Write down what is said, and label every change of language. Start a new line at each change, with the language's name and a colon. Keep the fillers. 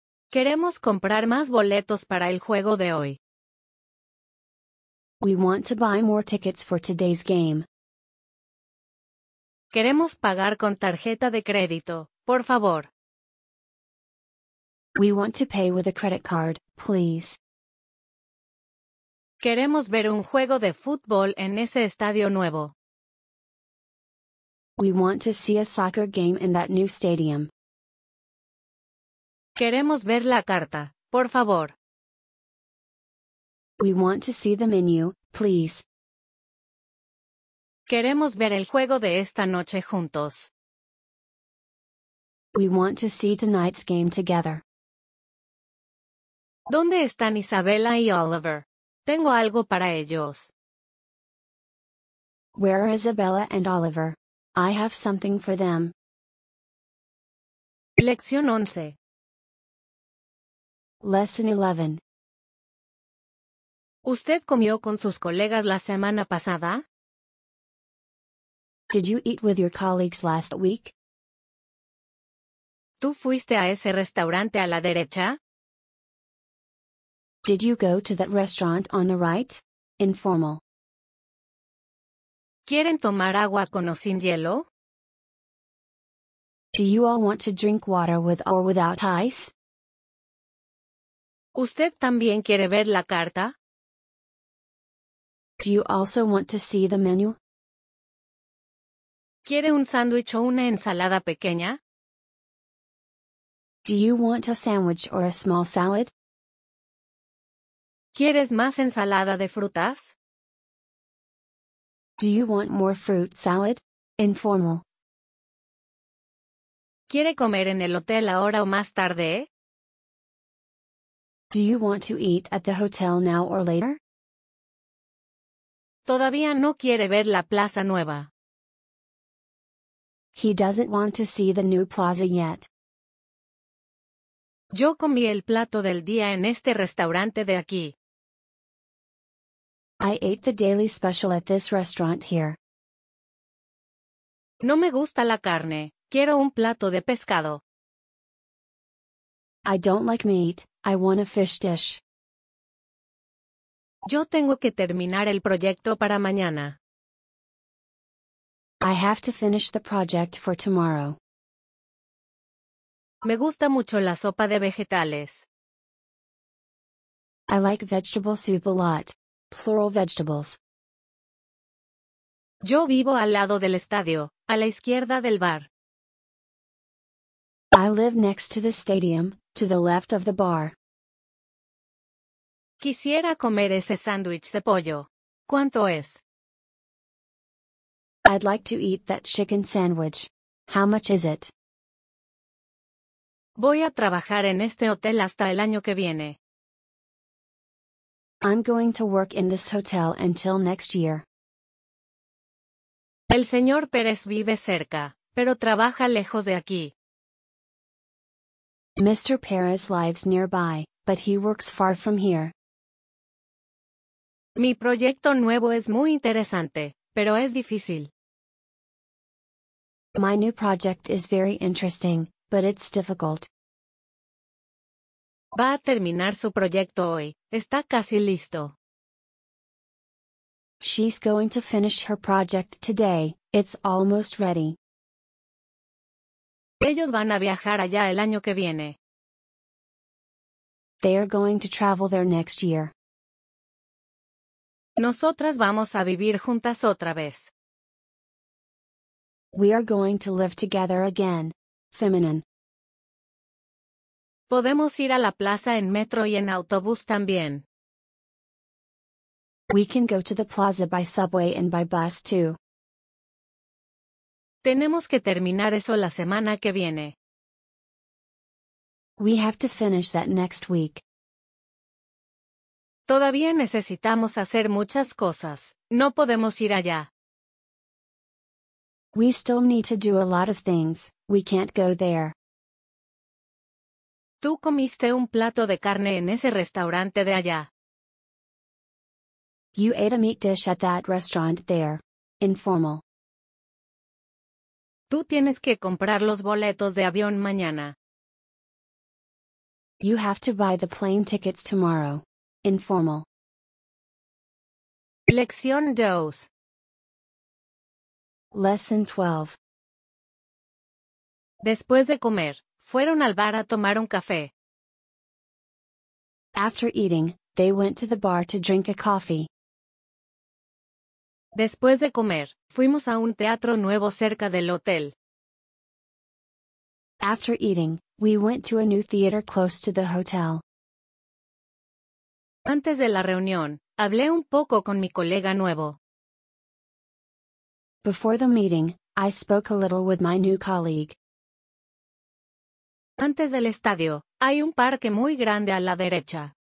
Spanish: Queremos comprar más boletos para el juego de hoy.
English: We want to buy more tickets for today's game.
Spanish: Queremos pagar con tarjeta de crédito, por favor.
English: We want to pay with a credit card, please.
Spanish: Queremos ver un juego de fútbol en ese estadio nuevo.
English: We want to see a soccer game in that new stadium.
Spanish: Queremos ver la carta, por favor.
English: We want to see the menu, please.
Spanish: Queremos ver el juego de esta noche juntos.
English: We want to see tonight's game together.
Spanish: ¿Dónde están Isabella y Oliver? Tengo algo para ellos.
English: Where are Isabella and Oliver? I have something for them.
Spanish: Lección once.
English: Lesson 11.
Spanish: ¿Usted comió con sus colegas la semana pasada?
English: Did you eat with your colleagues last week?
Spanish: ¿Tú fuiste a ese restaurante a la derecha?
English: Did you go to that restaurant on the right? Informal.
Spanish: ¿Quieren tomar agua con o sin hielo?
English: Do you all want to drink water with or without ice?
Spanish: ¿Usted también quiere ver la carta?
English: Do you also want to see the menu?
Spanish: ¿Quiere un sándwich o una ensalada pequeña?
English: Do you want a sandwich or a small salad?
Spanish: ¿Quieres más ensalada de frutas?
English: Do you want more fruit salad? Informal.
Spanish: ¿Quiere comer en el hotel ahora o más tarde?
English: Do you want to eat at the hotel now or later?
Spanish: Todavía no quiere ver la plaza nueva.
English: He doesn't want to see the new plaza yet.
Spanish: Yo comí el plato del día en este restaurante de aquí.
English: I ate the daily special at this restaurant here.
Spanish: No me gusta la carne. Quiero un plato de pescado.
English: I don't like meat. I want a fish dish.
Spanish: Yo tengo que terminar el proyecto para mañana.
English: I have to finish the project for tomorrow.
Spanish: Me gusta mucho la sopa de vegetales.
English: I like vegetable soup a lot. Plural vegetables.
Spanish: Yo vivo al lado del estadio, a la izquierda del bar.
English: I live next to the stadium, to the left of the bar.
Spanish: Quisiera comer ese sándwich de pollo. ¿Cuánto es?
English: I'd like to eat that chicken sandwich. How much is it?
Spanish: Voy a trabajar en este hotel hasta el año que viene.
English: I'm going to work in this hotel until next year.
Spanish: El señor Pérez vive cerca, pero trabaja lejos de aquí.
English: Mr. Pérez lives nearby, but he works far from here.
Spanish: Mi proyecto nuevo es muy interesante, pero es difícil.
English: My new project is very interesting, but it's difficult.
Spanish: Va a terminar su proyecto hoy. Está casi listo.
English: She's going to finish her project today. It's almost ready.
Spanish: Ellos van a viajar allá el año que viene.
English: They are going to travel there next year.
Spanish: Nosotras vamos a vivir juntas otra vez.
English: We are going to live together again. Feminine.
Spanish: Podemos ir a la plaza en metro y en autobús también.
English: We can go to the plaza by subway and by bus too.
Spanish: Tenemos que terminar eso la semana que viene.
English: We have to finish that next week.
Spanish: Todavía necesitamos hacer muchas cosas. No podemos ir allá.
English: We still need to do a lot of things. We can't go there.
Spanish: Tú comiste un plato de carne en ese restaurante de allá.
English: You ate a meat dish at that restaurant there. Informal.
Spanish: Tú tienes que comprar los boletos de avión mañana.
English: You have to buy the plane tickets tomorrow. informal.
Spanish: Lección 2
English: Lesson 12
Spanish: Después de comer, fueron al bar a tomar un café.
English: After eating, they went to the bar to drink a coffee.
Spanish: Después de comer, fuimos a un teatro nuevo cerca del hotel.
English: After eating, we went to a new theater close to the hotel.
Spanish: Antes de la reunión, hablé un poco con mi colega nuevo.
English: Before the meeting, I spoke a little with my new colleague.
Spanish: Antes del estadio, hay un parque muy grande a la derecha.